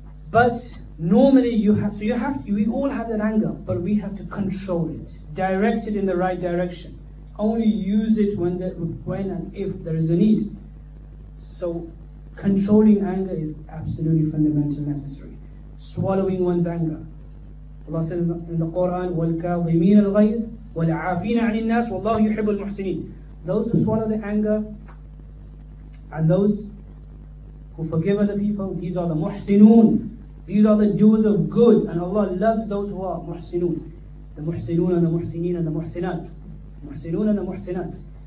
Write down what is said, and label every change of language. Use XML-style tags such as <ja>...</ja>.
<en>But normally we all have that anger, but we have to control it, direct it in the right direction. Only use it when and if there is a need. So controlling anger is absolutely fundamental, necessary. Swallowing one's anger. Allah says in the Quran,</en> <ar>وَالْكَاظِمِينَ الْغَيْظِ وَالْعَافِينَ عَنِ النَّاسِ وَاللَّهُ يُحِبُّ الْمُحْسِنِينَ.</ar> <en>Those who swallow the anger and those who forgive other people, these are the muhsinun. These are the doers of good, and Allah loves those who are muhsinun. The muhsinun and the muhsinin and the muhsinat. Muhsinun and the muhsinat.</en>